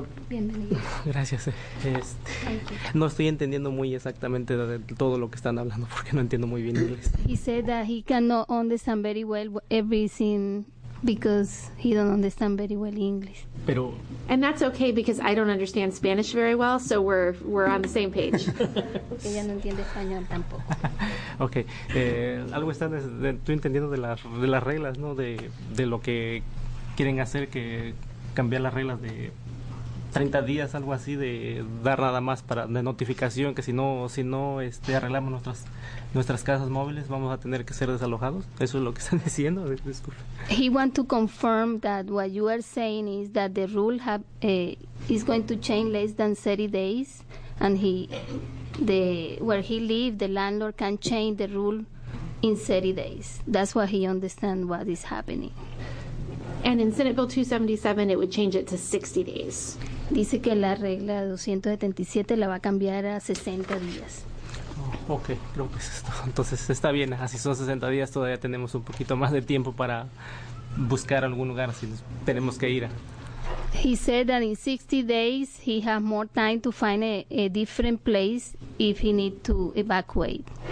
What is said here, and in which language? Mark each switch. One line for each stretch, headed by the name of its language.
Spanish: Bienvenido. Gracias.
English: Thank you.
Spanish: No estoy entendiendo muy exactamente de todo lo que están hablando porque no entiendo muy bien inglés.
English: He said that he cannot understand very well everything because he don't understand very well English.
Spanish: Pero,
English: and that's okay because I don't understand Spanish very well, so we're on the same page.
Spanish: Porque ella no entiende español tampoco.
English: Okay.
Spanish: Algo están estoy entendiendo de las reglas, ¿no? De lo que quieren hacer, que cambiar las reglas de 30 días, algo así, de dar nada más para de notificación, que si no arreglamos nuestras casas móviles, vamos a tener que ser desalojados. Eso es lo que están diciendo. Disculpe.
English: He want to confirm that what you are saying is that the rule have is going to change less than 30 days, and where he live, the landlord can change the rule in 30 days. That's what he understand what is happening. And in Senate Bill 277, it would change it to 60 days.
Spanish: Dice que la regla 277 la va a cambiar a 60 días. Oh, okay, creo que es esto. Entonces está bien, así son 60 días, todavía tenemos un poquito más de tiempo para buscar algún lugar si tenemos que ir.
English: He said that in 60 days he has more time to find a different place if he need to evacuate.